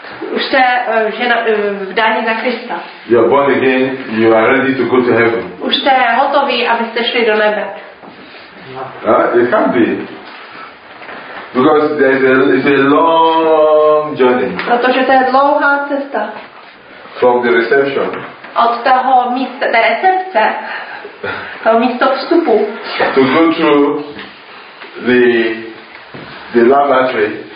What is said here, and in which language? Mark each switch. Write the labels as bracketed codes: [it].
[cs] už jste žena vdaní za Krista. [en] You're born again, you are ready to go to heaven. [cs] Už jste hotoví, abyste šli do nebe. [en] It can be. Because it's a long journey. [cs] Protože to je dlouhá cesta. [en] From the reception. [cs] Od toho místa, té recepce. To místo vstupu. [en] To go through the lavatory.